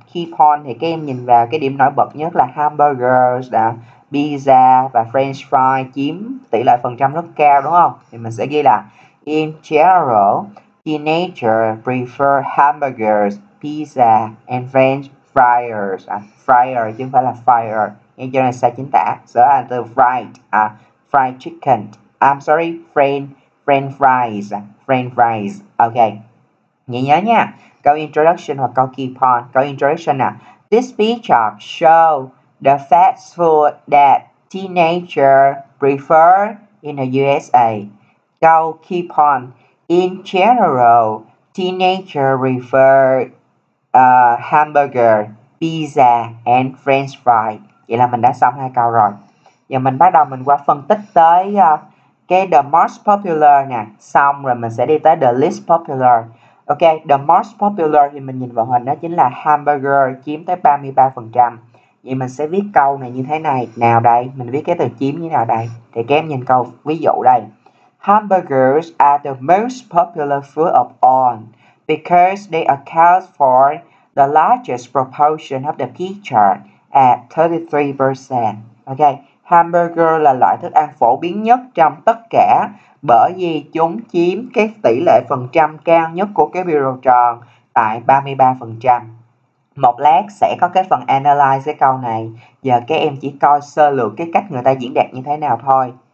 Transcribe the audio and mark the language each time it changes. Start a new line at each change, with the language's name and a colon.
Vietnamese: Key point thì các em nhìn vào cái điểm nổi bật nhất là hamburgers, pizza và french fries chiếm tỷ lệ phần trăm rất cao, đúng không? Thì mình sẽ ghi là
English: in general, teenagers prefer hamburgers, pizza and french fries.
Vietnamese: Fryer chứ không phải là fire. Nghe chỗ này sai chính tả. Sửa là từ fried, fried chicken.
English: I'm sorry, french fries. French fries. Ok.
Vietnamese: Nhớ nhớ nha.
English: Go introduction
Vietnamese: hoặc câu
English: key point. Go introduction nào. This feature show the fast food that teenager prefer in the USA. Go key point. In general, teenager prefer hamburger, pizza and french fry.
Vietnamese: Vậy là mình đã xong hai câu rồi. Giờ mình bắt đầu mình qua phân tích tới cái the most popular nè. Xong rồi mình sẽ đi tới the least popular. Ok, the most popular thì mình nhìn vào hình đó chính là hamburger chiếm tới 33%. Vậy mình sẽ viết câu này như thế này. Nào đây, mình viết cái từ chiếm như nào đây. Thì các em nhìn câu ví dụ đây.
English: Hamburgers are the most popular food of all because they account for the largest proportion of the pizza at 33%.
Vietnamese: Ok, hamburger là loại thức ăn phổ biến nhất trong tất cả bởi vì chúng chiếm cái tỷ lệ phần trăm cao nhất của cái biểu đồ tròn tại 33%. Một lát sẽ có cái phần analyze cái câu này. Giờ các em chỉ coi sơ lược cái cách người ta diễn đạt như thế nào thôi.